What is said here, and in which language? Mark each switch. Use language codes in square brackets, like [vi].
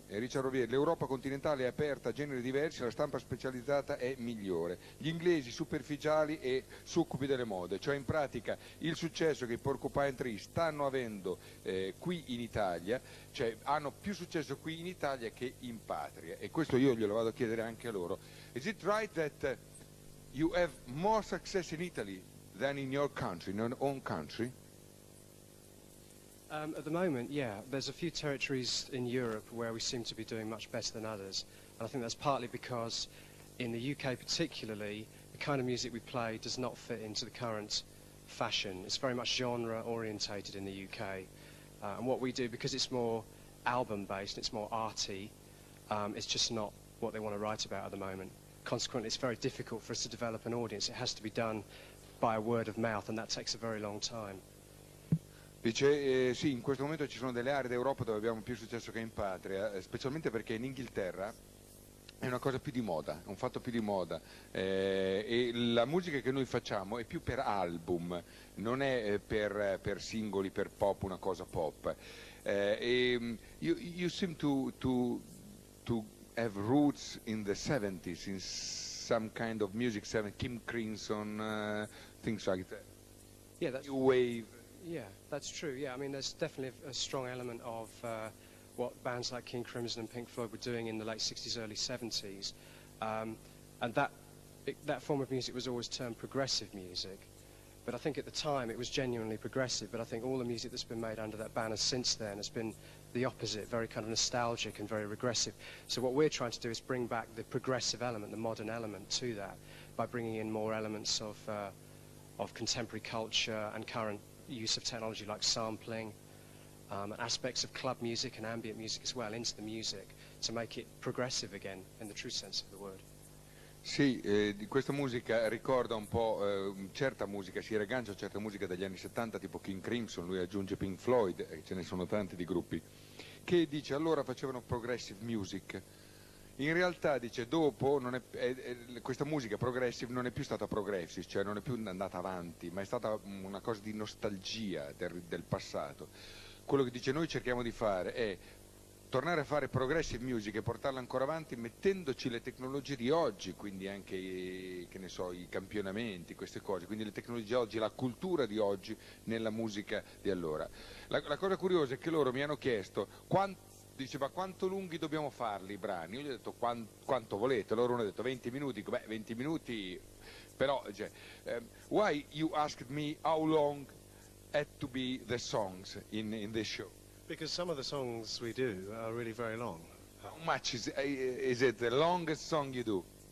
[it] Richard Rovier: l'Europa continentale è aperta a generi diversi, la stampa specializzata è migliore. Gli inglesi superficiali e succubi delle mode. Cioè, in pratica, il successo che i Porcupine Tree stanno avendo qui in Italia, cioè hanno più successo qui in Italia che in patria, e questo io glielo vado a chiedere anche a loro. [en] Is it right that you have more success in Italy than in your country, in your own country? At the moment, yeah, there's a few territories in Europe where we seem to be doing much better than others, and I think that's partly because in the UK particularly the kind of music we play does not fit into the current fashion. It's very much genre orientated in the UK. And what we do, because it's more album-based, it's more arty, it's just not what they want to write about at the moment. Consequently, it's very difficult for us to develop an audience. It has to be done by a word of mouth, and that takes a very long time. [it] Dice, sì, in questo momento ci sono delle aree d'Europa dove abbiamo più successo che in patria, specialmente perché in Inghilterra è una cosa più di moda, un fatto più di moda, e la musica che noi facciamo è più per album, non è per singoli, per pop, una cosa pop. [en] You seem to have roots in the 70s, in some kind of music, 70s, Kim Crimson, things like that. Yeah, that's new wave. Yeah, that's true. Yeah, I mean, there's definitely a strong element of what bands like King Crimson and Pink Floyd were doing in the late 60s, early 70s. And that form of music was always termed progressive music. But I think at the time it was genuinely progressive, but I think all the music that's been made under that banner since then has been the opposite, very kind of nostalgic and very regressive. So what we're trying to do is bring back the progressive element, the modern element to that, by bringing in more elements of contemporary culture and current use of technology like sampling, and aspects of club music and ambient music as well into the music to make it progressive again in the true sense of the word. [it] Sì, questa musica ricorda un po' certa musica, si riaggancia a certa musica degli anni 70, tipo King Crimson, lui aggiunge Pink Floyd, e ce ne sono tanti di gruppi, che dice allora facevano progressive music. In realtà, dice, dopo non questa musica progressive non è più stata progressive, cioè non è più andata avanti, ma è stata una cosa di nostalgia del passato. Quello che dice noi cerchiamo di fare è tornare a fare progressive music e portarla ancora avanti mettendoci le tecnologie di oggi, quindi anche i campionamenti, queste cose, quindi le tecnologie di oggi, la cultura di oggi nella musica di allora. La cosa curiosa è che loro mi hanno chiesto dice, ma quanto lunghi dobbiamo farli i brani? Io gli ho detto, quanto volete? Loro hanno detto, 20 minuti. Beh, 20 minuti, però, cioè, [en] why you asked me how long had to be the songs in the show? Because some of the songs we do are really very long. How much is it the longest song you do?